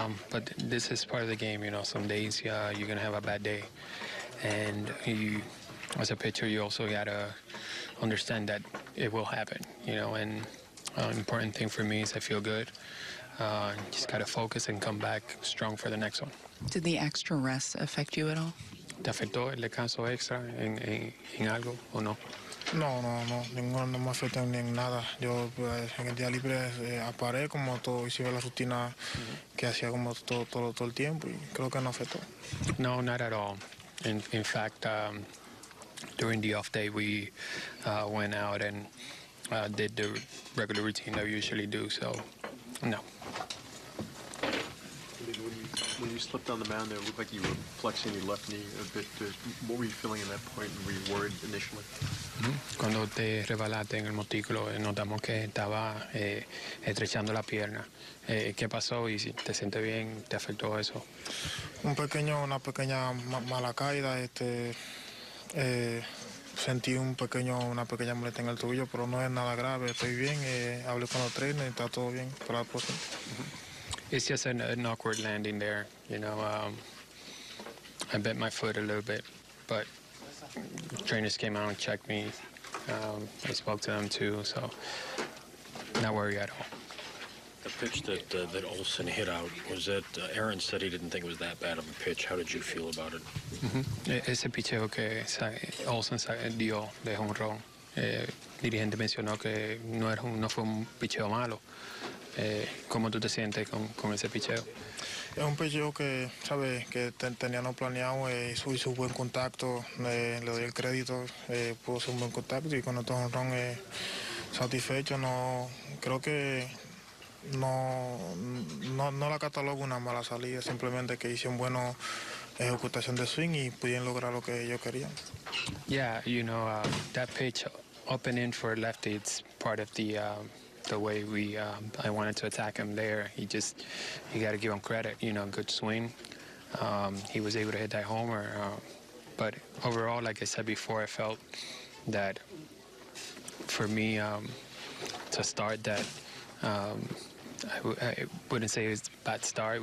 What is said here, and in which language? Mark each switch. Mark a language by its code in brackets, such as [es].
[en] But this is part of the game, you know. Some days you're going to have a bad day. And you, as a pitcher, you also got to understand that it will happen, you know. And an important thing for me is I feel good. Just got to focus and come back strong for the next one. Did the extra rest affect you at all? [es] ¿Te afectó el descanso extra en algo o no? No, ninguno, no me afecta ni en nada. Yo pues, en el día libre aparé como todo, hice la rutina que hacía como todo el tiempo y creo que no afectó. [en] No, not at all. In fact, during the off day we went out and did the regular routine that we usually do, so no. When you slipped on the mound there, it looked like you were flexing your left knee a bit. What were you feeling at that point? Were you worried initially? [es] Cuando te rebalaste en el montículo, notamos que estaba estrechando la pierna. ¿Qué pasó? ¿Y si te sientes bien? ¿Te afectó eso? Una pequeña mala caída. Sentí una pequeña molestia en el tobillo, pero no es nada grave. Estoy bien. Hablé con los trainers y está todo bien para la próxima. [en] It's just an awkward landing there, you know. I bent my foot a little bit, but trainers came out and checked me. I spoke to them too, so not worried at all. The pitch that Olsen hit out, was that Aaron said he didn't think it was that bad of a pitch. How did you feel about it? [es] Ese picheo que Olsen dio de jonrón, dirigente mencionó que no fue un picheo malo. ¿Cómo tú te sientes con ese picheo? Es un picheo que, ¿sabes? Que tenía no planeado, hizo buen contacto, le doy el crédito, pudo ser un buen contacto y con otro jonrón satisfecho. No, creo que no la catalogo una mala salida, simplemente que hice un buen ejecutación de swing y pudieron lograr lo que ellos querían. [en] Yeah, you know, that pitch open in for lefty, it's part of the way I wanted to attack him there. You got to give him credit, you know, good swing. He was able to hit that homer. But overall, like I said before, I felt that for me to start that, I wouldn't say it's a bad start.